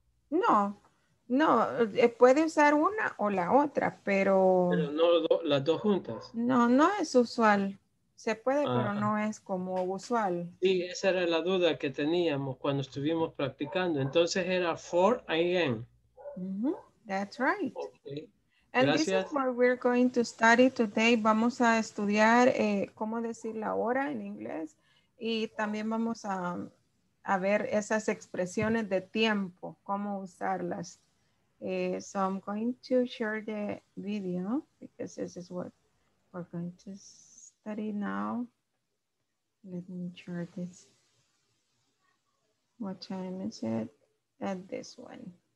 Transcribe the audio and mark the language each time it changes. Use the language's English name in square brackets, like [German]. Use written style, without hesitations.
[Spanish] No, no, puede usar una o la otra, pero... Pero no las dos juntas. No, no es usual. Se puede, ajá, pero no es como usual. Sí, esa era la duda que teníamos cuando estuvimos practicando. Entonces era 4 a.m. Mm-hmm. [English] That's right. Okay. And [Spanish] gracias. [English] This is what we're going to study today. [Spanish] Vamos a estudiar cómo decir la hora en inglés. Y también vamos a ver esas expresiones de tiempo, cómo usarlas. [English] So I'm going to share the video because this is what we're going to study now. Let me share this. What time is it? At this one.